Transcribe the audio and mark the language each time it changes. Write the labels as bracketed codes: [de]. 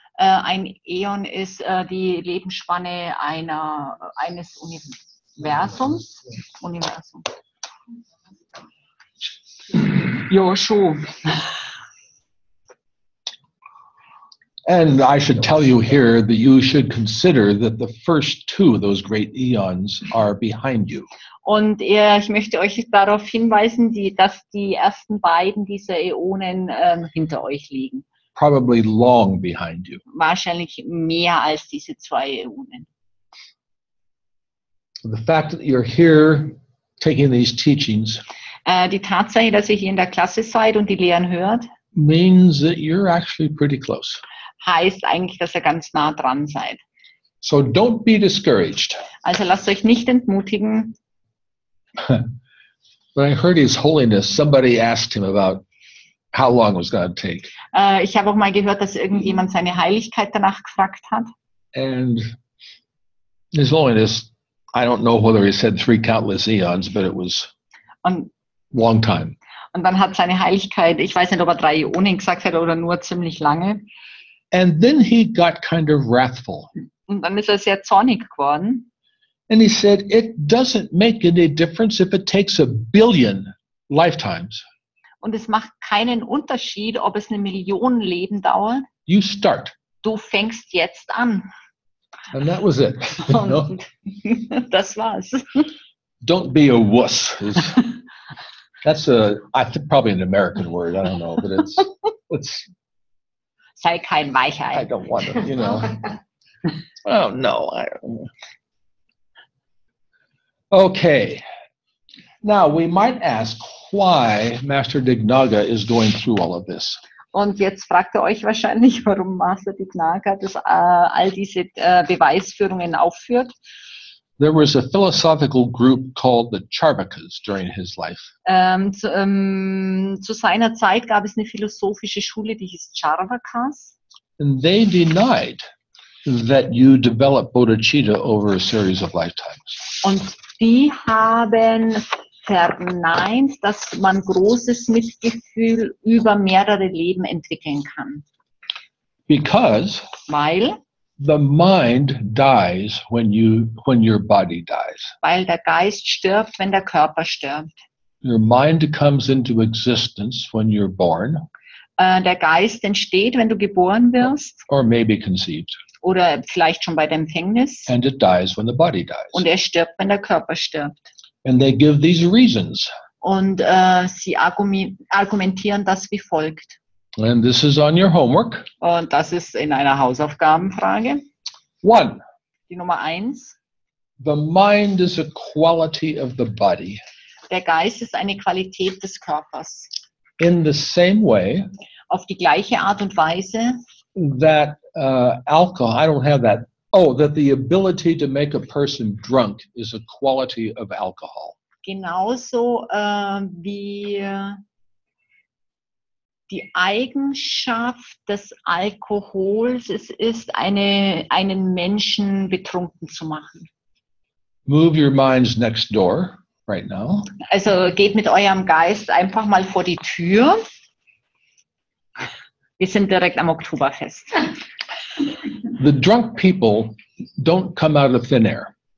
[de] Ein Äon ist die Lebensspanne eines Universums. Ja, schon. [en] And I should tell you here that you should consider that the first two of those great eons are behind you. [de] Und ich möchte euch darauf hinweisen, dass die ersten beiden dieser Äonen hinter euch liegen. [en] Probably long behind you. [de] Wahrscheinlich mehr als diese zwei Äonen. [en] The fact that you're here taking these teachings. [de] Die Tatsache, dass ihr hier in der Klasse seid und die Lehren hört. [en] Means that you're actually pretty close. [de] Heißt eigentlich, dass ihr ganz nah dran seid. [en] So don't be discouraged. [de] Also lasst euch nicht entmutigen. [en] When I heard His Holiness, somebody asked him about how long was going to take? [de] Ich habe auch mal gehört, dass irgendjemand seine Heiligkeit danach gefragt hat. [en] And His Holiness, I don't know whether he said three countless eons, but it was long time. [de] Und dann hat seine Heiligkeit, ich weiß nicht, ob er drei Äonen gesagt hat oder nur ziemlich lange. [en] And then he got kind of wrathful. [de] Und dann ist er sehr zornig geworden. [en] And he said, it doesn't make any difference if it takes a billion lifetimes. [de] Und es macht keinen Unterschied, ob es eine Million Leben dauert. [en] You start. [de] Du fängst jetzt an. [en] And that was it. [de] No. Das war's. [en] Don't be a wuss. That's probably an American word. I don't know, but it's [de] sei kein Weichei. [en] I don't want to, you know. Oh, no. Okay. Now, we might ask why Master Dignaga is going through all of this. [de] Und jetzt fragt ihr euch wahrscheinlich, warum Master Dignaga das, all diese Beweisführungen aufführt. [en] There was a philosophical group called the Charvakas during his life. [de] Zu seiner Zeit gab es eine philosophische Schule, die hieß Charvakas. [en] And they denied that you develop bodhicitta over a series of lifetimes. [de] Und die haben verneint, dass man großes Mitgefühl über mehrere Leben entwickeln kann. [en] Because? [de] Weil? [en] The mind dies when your body dies. [de] Weil der Geist stirbt, wenn der Körper stirbt. [en] Your mind comes into existence when you're born. [de] Der Geist entsteht, wenn du geboren wirst. [en] Or maybe conceived. [de] Oder vielleicht schon bei der Empfängnis. [en] And it dies when the body dies. [de] Und er stirbt, wenn der Körper stirbt. [en] And they give these reasons. [de] Und sie argumentieren das wie folgt. [en] And this is on your homework. [de] Und das ist in einer Hausaufgabenfrage. [en] One. [de] Die Nummer eins. [en] The mind is a quality of the body. [de] Der Geist ist eine Qualität des Körpers. [en] In the same way. [de] Auf die gleiche Art und Weise. [en] That alcohol, I don't have that. Oh, that the ability to make a person drunk is a quality of alcohol. [de] Genauso wie die Eigenschaft des Alkohols, es ist eine, einen Menschen betrunken zu machen. [en] Move your minds next door right now. [de] Also geht mit eurem Geist einfach mal vor die Tür. Wir sind direkt am Oktoberfest. [en] The drunk people don't come out of thin air.